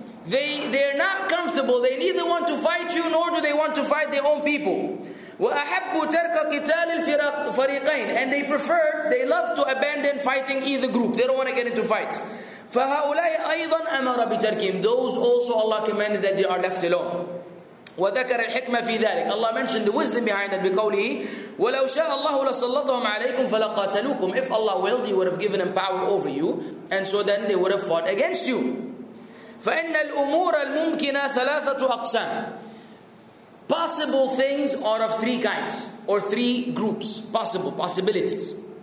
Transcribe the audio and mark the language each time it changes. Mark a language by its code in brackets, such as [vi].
[en] They're not comfortable. They neither want to fight you, nor do they want to fight their own people. [ar] وَأَحَبُّ تَرْكَ قِتَالِ الْفَرِيقَيْنِ. [en] And they prefer, they love to abandon fighting either group. They don't want to get into fights. [ar] فَهَؤُلَاءِ أَيْضًا أَمَرَ بِتَرْكِهِمْ. [en] Those also Allah commanded that they are left alone. [ar] وَذَكَرَ الْحِكْمَةِ فِي ذَلِكَ. [en] Allah mentioned the wisdom behind it [ar] بِقَوْلِهِ وَلَوْ شَاءَ اللَّهُ لَسَلَّطَهُمْ عَلَيْكُمْ فَلَقَاتَلُوكُمْ. [en] If Allah willed, He would have given them power over you, and so then they would have fought against you. [ar] فَإِنَّ الْأُمُورَ الْمُمْكِنَ ثَلَاثَةُ أَقْسَامٍ. [en] Possible things are of three kinds, or three groups, possibilities.